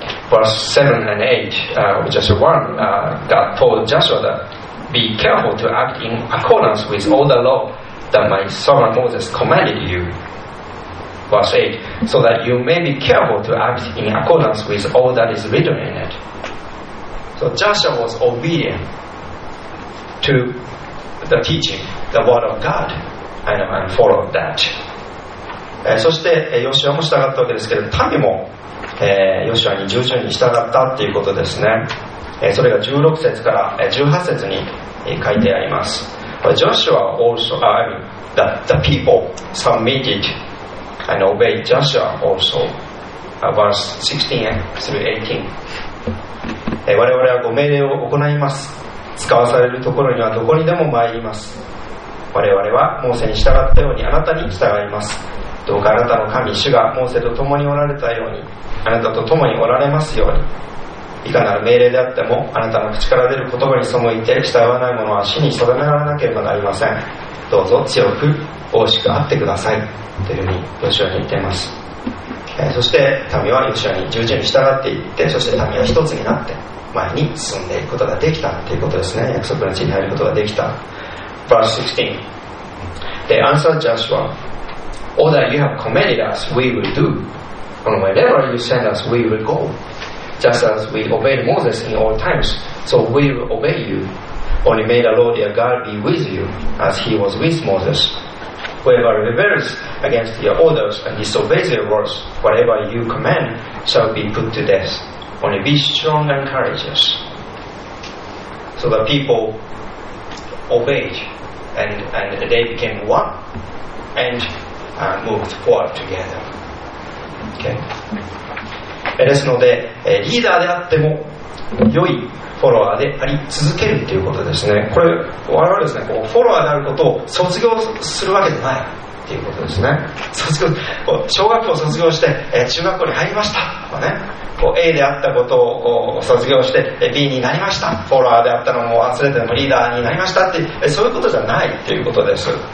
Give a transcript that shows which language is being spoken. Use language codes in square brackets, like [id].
[en] Verse 7 and 8, which is the one God told Joshua thatBe careful to act in accordance with all the law that my servant Moses commanded you. Verse 8, so that you may be careful to act in accordance with all that is written in it. So Joshua was obedient to the teaching, the word of God, and followed that. [ja] そしてヨシュアも従ったわけですけれど、民もヨシュアに従順に従ったということですね。それが16節から18節に書いてあります。 [en] Joshua also, the people submitted and obeyed Joshua also. Verse 16-18, [ja] 我々はご命令を行います。使わされるところにはどこにでも参ります。我々はモーセに従ったようにあなたに従います。どうかあなたの神主がモーセと共におられたように、あなたと共におられますように。いかなる命令であっても、あなたの口から出る言葉に背いて従わない者は死に定められなければなりません。どうぞ強く大きくあってくださいというふうにヨシュアに言っています。そして民はヨシュアに従順に従っていって、そして民は一つになって前に進んでいくことができたということですね。約束の地に入ることができた。 [en] Verse 16, They answered Joshua, All that you have commanded us we will do, and wherever you send us we will goJust as we obeyed Moses in all times, so we will obey you. Only may the Lord your God be with you, as he was with Moses. Whoever rebels against your orders and disobeys your words, whatever you command, shall be put to death. Only be strong and courageous. So the people obeyed, and they became one, and moved forward together. Okay. [ja] ですので、リーダーであっても良いフォロワーであり続けるということですね。これ我々ですね、こうフォロワーであることを卒業するわけじゃない、ていうことですね。卒業、こう小学校を卒業して、中学校に入りましたとかね、こう A であったことをこう卒業して B になりました、フォロワーであったのも忘れてもリーダーになりましたっていう、そういうことじゃないっていうことです。